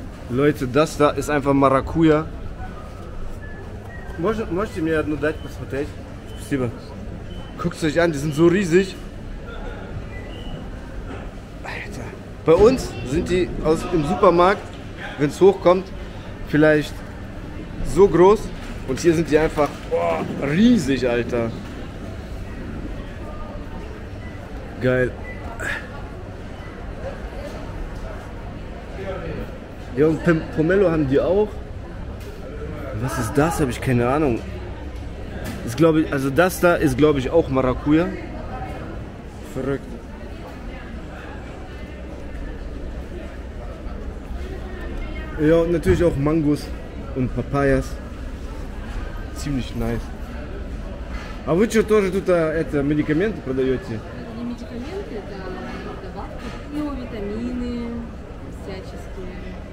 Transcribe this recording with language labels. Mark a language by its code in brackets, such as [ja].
[de] Leute, das da ist einfach Maracuja. [ru] Можете мне одну дать посмотреть? Спасибо. [de] Guckt euch an, die sind so riesig. Alter. Bei uns sind die im Supermarkt, wenn es hochkommt, vielleicht so groß. Und hier sind die einfach riesig, Alter. Geil. Ja, und Pomelo haben die auch. Was ist das? Habe ich keine Ahnung. Ist, glaube ich, also das da ist, glaube ich, auch Maracuja. Verrückt. Ja, und natürlich auch Mangos und Papayas. Ziemlich nice. [ru] А вы что тоже тут это медикаменты продаете? Не медикаменты, это добавки, ну, витамины всяческие.